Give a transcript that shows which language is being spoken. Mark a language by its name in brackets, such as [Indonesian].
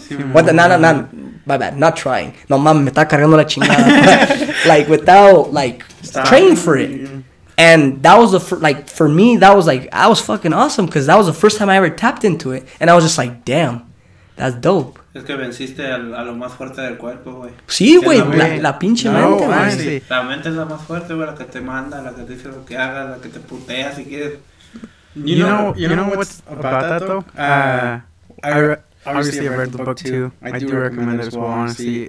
[Spanish] Sí, [English] what the, no, my bad, not trying. [Spanish] No, mami, me está cargando la chingada. [English] Like, without, like, training for it. And that was, for me, that was, like, I was fucking awesome. Because that was the first time I ever tapped into it. And I was just like, damn, that's dope. [Spanish] Es que venciste a lo más fuerte del cuerpo, güey. Sí, güey, la pinche mente, güey. No, la mente es la más fuerte, güey, la que te manda, la que te dice lo que hagas, la que te putea si quieres. [English] You know what's about that, though? I obviously read the book, too. I do recommend it as well, honestly.